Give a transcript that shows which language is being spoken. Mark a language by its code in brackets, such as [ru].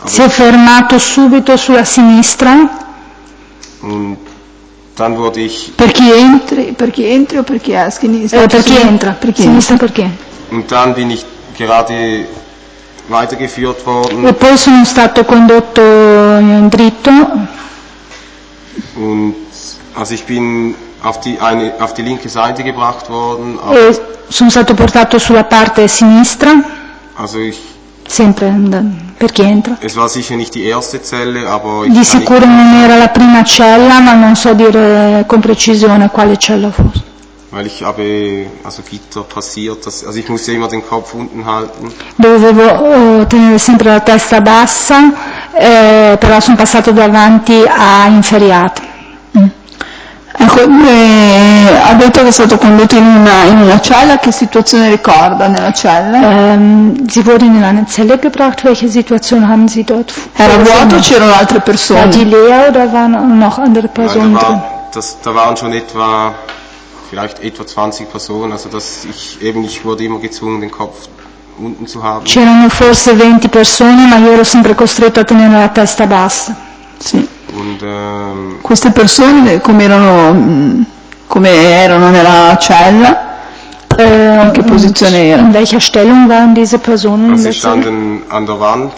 [it] Si è fermato subito sulla sinistra. [de] Und dann wurde ich. [it] Per chi entri o per chi è a sinistra? Per chi entra, per chi sinistra per chi? [de] Und dann bin ich gerade weitergeführt worden. [it] E poi sono stato condotto in dritto. [de] Und also ich bin auf die linke Seite gebracht worden. [it] Sono stato portato sulla parte sinistra. [de] Also ich, [it] sempre per chi entra. [de] Es war sicher nicht die erste Zelle, aber [it] di sicuro non era la prima cella, ma non so dire con precisione quale cella fosse. [de] Weil ich habe also Gitter passiert, also ich musste immer den Kopf unten halten. [it] Dovevo tenere sempre la testa bassa, però sono passato davanti a inferiato. Ecco, ha detto che è stato condotto in una cella, che situazione ricorda nella cella? [de] Sie wurde in eine Zelle gebracht, welche Situation haben Sie dort? [it] Era vuoto o c'erano altre persone? [de] War die leer oder waren noch andere Personen drin? Da waren schon etwa, vielleicht etwa 20 Personen, also dass ich wurde immer gezwungen den Kopf unten zu haben. [it] C'erano forse 20 persone, ma io ero sempre costretto a tenere la testa bassa. Sì. [de] Und, [it] queste persone come erano nella cella? In che posizione erano? [de] In welcher Stellung waren diese Personen? Also, sie standen an der Wand.